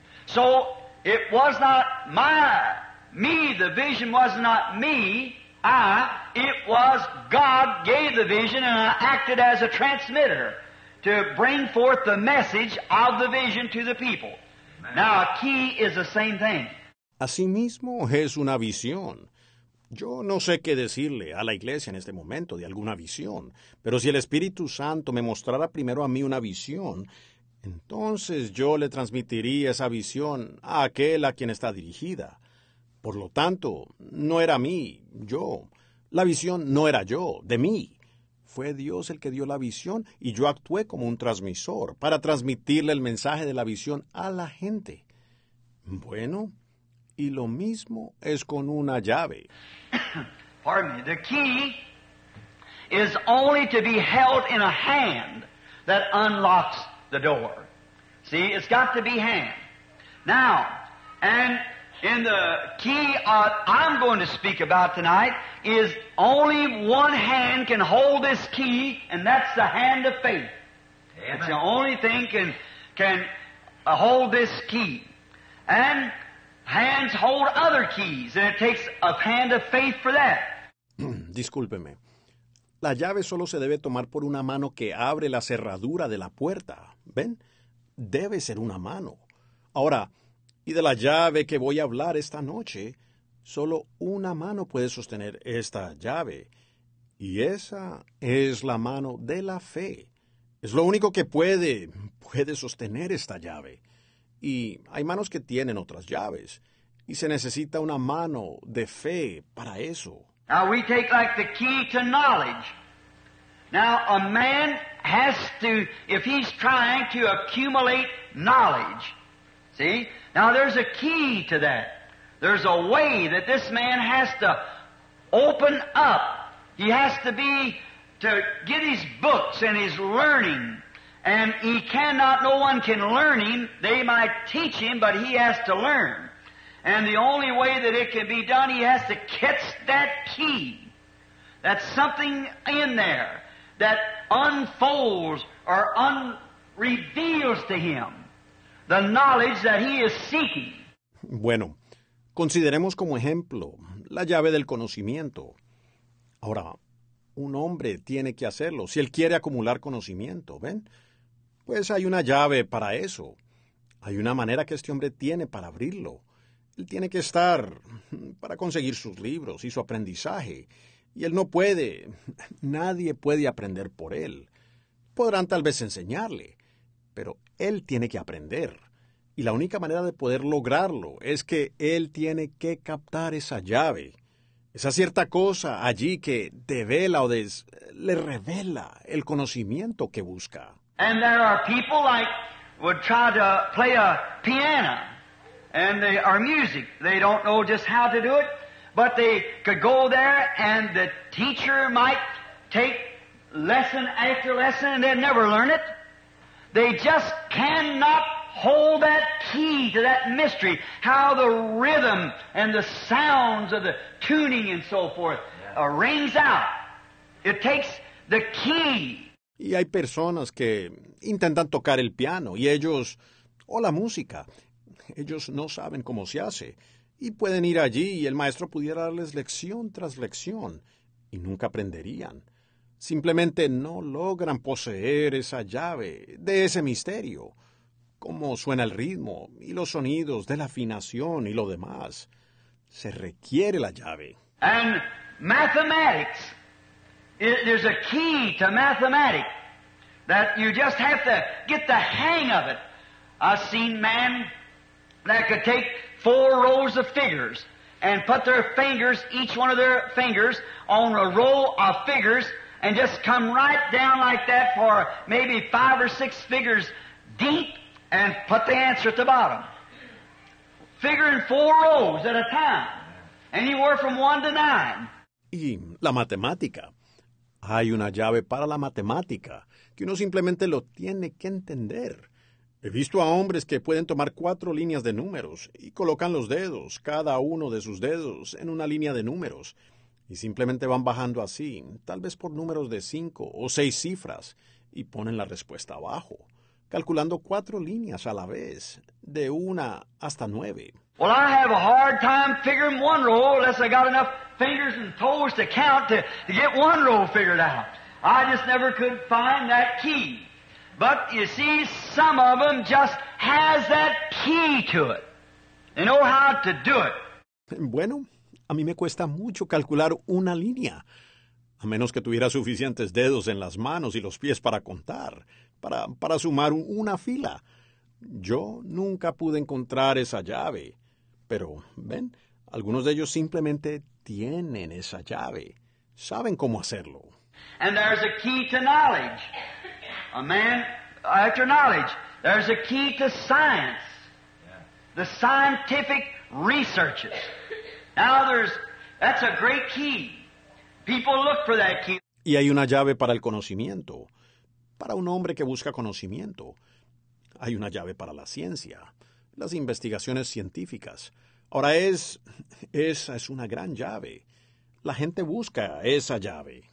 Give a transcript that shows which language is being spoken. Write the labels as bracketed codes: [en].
[en] So it was not me, the vision was not me, it was God gave the vision and I acted as a transmitter to bring forth the message of the vision to the people. Amen. Now a key is the same thing. [es] Asimismo es una visión. Yo no sé qué decirle a la iglesia en este momento de alguna visión, pero si el Espíritu Santo me mostrara primero a mí una visión, entonces yo le transmitiría esa visión a aquel a quien está dirigida. Por lo tanto, no era mí, yo. La visión no era yo, de mí. Fue Dios el que dio la visión y yo actué como un transmisor para transmitirle el mensaje de la visión a la gente. Bueno, y lo mismo es con una llave. [en] Pardon me. The key is only to be held in a hand that unlocks the door. See, it's got to be hand. Now, and in the key I'm going to speak about tonight is only one hand can hold this key, and that's the hand of faith. Amen. It's the only thing can hold this key. And hands hold other keys, and it takes a hand of faith for that. [es] Discúlpeme. La llave solo se debe tomar por una mano que abre la cerradura de la puerta. ¿Ven? Debe ser una mano. Ahora, y de la llave que voy a hablar esta noche, solo una mano puede sostener esta llave. Y esa es la mano de la fe. Es lo único que puede sostener esta llave. Y hay manos que tienen otras llaves. Y se necesita una mano de fe para eso. [en] Now we take like the key to knowledge. Now a man has to, if he's trying to accumulate knowledge, see? Now there's a key to that. There's a way that this man has to open up. He has to be, to get his books and his learning. And he cannot, no one can learn him. They might teach him, but he has to learn. And the only way that it can be done, he has to catch that key. That's something in there that unfolds or reveals to him the knowledge that he is seeking. [es] Bueno, consideremos como ejemplo la llave del conocimiento. Ahora, un hombre tiene que hacerlo si él quiere acumular conocimiento, ¿ven? Pues hay una llave para eso. Hay una manera que este hombre tiene para abrirlo. Él tiene que estar para conseguir sus libros y su aprendizaje. Y él no puede, nadie puede aprender por él. Podrán tal vez enseñarle, pero él tiene que aprender. Y la única manera de poder lograrlo es que él tiene que captar esa llave. Esa cierta cosa allí que devela o le revela el conocimiento que busca. [en] And there are people like would try to play a piano and they are music. They don't know just how to do it, but they could go there and the teacher might take lesson after lesson and they never learn it. They just cannot hold that key to that mystery, how the rhythm and the sounds of the tuning and so forth rings out. It takes the key. [es] Y hay personas que intentan tocar el piano y ellos, o la música, ellos no saben cómo se hace. Y pueden ir allí y el maestro pudiera darles lección tras lección y nunca aprenderían. Simplemente no logran poseer esa llave de ese misterio. Cómo suena el ritmo y los sonidos de la afinación y lo demás. Se requiere la llave. [en] And mathematics. There's a key to mathematics that you just have to get the hang of it. I've seen men that could take four rows of figures and put their fingers, each one of their fingers, on a row of figures and just come right down like that for maybe five or six figures deep and put the answer at the bottom. Figuring four rows at a time, anywhere from one to nine. [es] Y la matemática. Hay una llave para la matemática que uno simplemente lo tiene que entender. He visto a hombres que pueden tomar cuatro líneas de números y colocan los dedos, cada uno de sus dedos, en una línea de números. Y simplemente van bajando así, tal vez por números de cinco o seis cifras, y ponen la respuesta abajo, calculando cuatro líneas a la vez, de una hasta nueve. [en] Well, I have a hard time figuring one row unless I got enough fingers and toes to count to get one row figured out. I just never could find that key. But you see, some of them just has that key to it. They know how to do it. [es] Bueno, a mí me cuesta mucho calcular una línea, a menos que tuviera suficientes dedos en las manos y los pies para contar, para sumar una fila. Yo nunca pude encontrar esa llave. Pero, ven, algunos de ellos simplemente tienen esa llave. Saben cómo hacerlo. [en] And there's a key to knowledge. A man, after knowledge, there's a key to science. The scientific researches. Now there's, that's a great key. People look for that key. [es] Y hay una llave para el conocimiento. Para un hombre que busca conocimiento. Hay una llave para la ciencia. Las investigaciones científicas. Ahora esa es una gran llave. La gente busca esa llave.